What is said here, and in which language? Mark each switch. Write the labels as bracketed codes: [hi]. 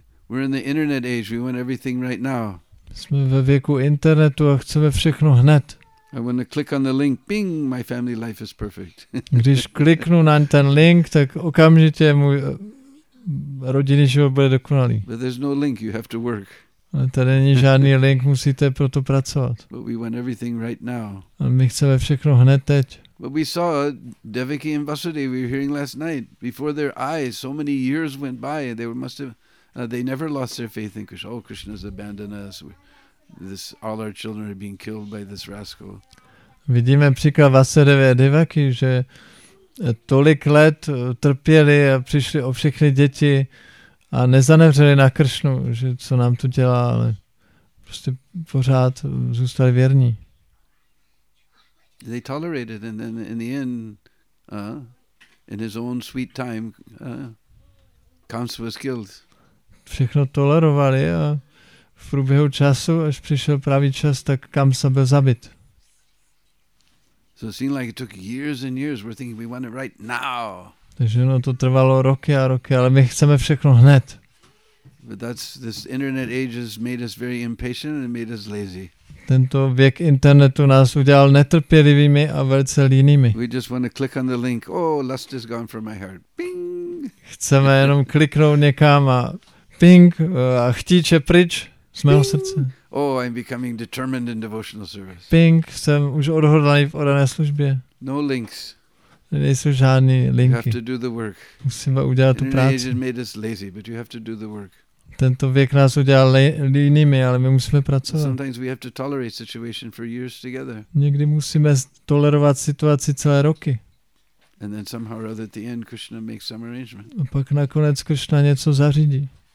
[en] We're in the internet age. We want everything right now. [cs] Jsme ve věku internetu a chceme všechno hned. [en] I want to click on the link. Bing, my family life is perfect. [cs] Když kliknu na ten link, tak okamžitě můj rodinný život bude dokonalý. [en] But there's no link. You have to work. [cs] Ale tady není žádný link, musíte proto pracovat. [en] But we want everything right now. [cs] A my chceme všechno hned teď. [en] But we saw Devaki and Vasudeva, we were hearing last night, before their eyes, so many years went by, they must have, they never lost their faith in Krishna. Oh, Krishna's abandoned us. This, all our children are being killed by this rascal. [cs] Vidíme příklad Vasudevy a Devaki, že tolik let trpěli a přišli o všechny děti a nezanevřeli na Kršnu, že co nám tu dělá, ale prostě pořád zůstali věrní. [en] They tolerated, and then in the end, in his own sweet time, Kamsa was killed. [cs] Všechno tolerovali a v průběhu času, až přišel pravý čas, tak Kamsa byl zabit. [en] So it seemed like it took years and years. We're thinking we want it right now. [cs] Takže no, to trvalo roky a roky, ale my chceme všechno hned. [en] But that's this internet age has made us very impatient and made us lazy. [cs] Tento věk internetu nás udělal netrpělivými a velice línými. [en] We just want to click on the link. Oh, lust is gone from my heart. Ping. [cs] Chceme jenom kliknout někam a ping, a chtíč je pryč z mého srdce. [en] Oh, I'm becoming determined in devotional service. [cs] Ping, jsem už odhodlaný v odané službě. [en] No links. [cs] Nejsou žádné linky. [en] You have to do the work. [cs] Musíme udělat tu práci. [en] Internet made us lazy, but you have to do the work. [cs] Tento věk nás udělal línými, ale my musíme pracovat. [en] Sometimes we have to tolerate situation for years together. [cs] Někdy musíme tolerovat situaci celé roky. [en] And then somehow or other at the end Krishna makes some arrangement. [cs] A pak nakonec Krishna něco zařídí.